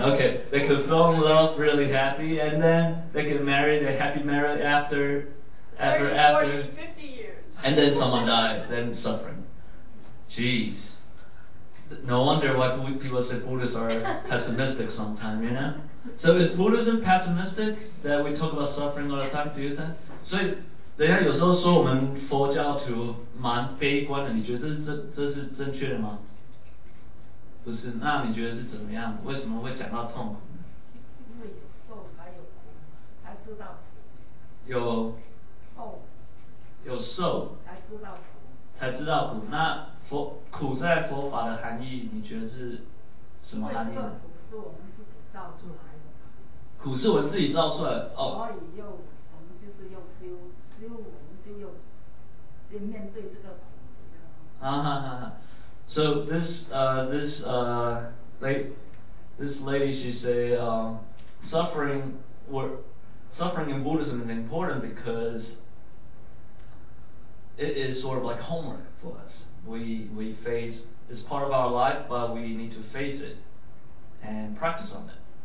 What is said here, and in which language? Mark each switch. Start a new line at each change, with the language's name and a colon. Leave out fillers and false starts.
English: Okay, they could fall in love really happy, and then they get married, they're happy married after. 30, 40, 50 years. And then someone dies, then suffering. Jeez, no wonder why people say Buddhists are pessimistic sometimes, you know? So is Buddhism pessimistic that we talk about suffering all the time, do you think?
Chinese: 所以等一下有时候说我们佛教徒蛮悲观的，你觉得这是正确的吗？不是，那你觉得是怎么样？为什么会讲到痛苦呢？因为有受，还有苦，才知道苦。有痛，有受，才知道苦。那苦在佛法的含义，你觉得是什么含义？这个苦是我们自己造出来的。苦是我们自己造出来的。哦。所以又我们就是又修，我们就又面对这个苦。啊哈哈哈。
English: So this lady she say suffering in Buddhism is important because it is sort of like homework for us. We face, it's part of our life, but we need to face it and practice on it.